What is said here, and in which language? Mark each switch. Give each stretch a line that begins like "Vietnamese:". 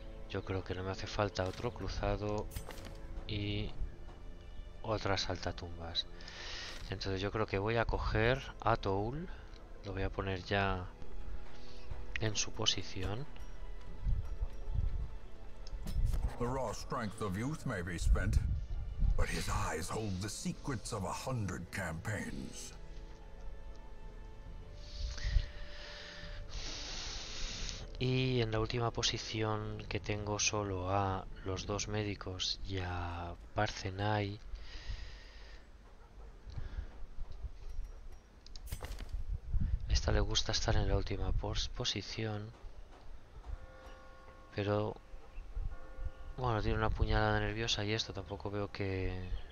Spanish: yo creo que no me hace falta otro cruzado. Y otras saltatumbas. Entonces yo creo que voy a coger a Toul. Lo voy a poner ya en su posición.
English: The raw strength of youth may be spent, but his eyes hold the secrets of 100 campaigns.
Spanish: Y en la última posición, que tengo solo a los dos médicos y a Parthenai, esta le gusta estar en la última posición, pero bueno, tiene una puñalada nerviosa y esto tampoco veo que...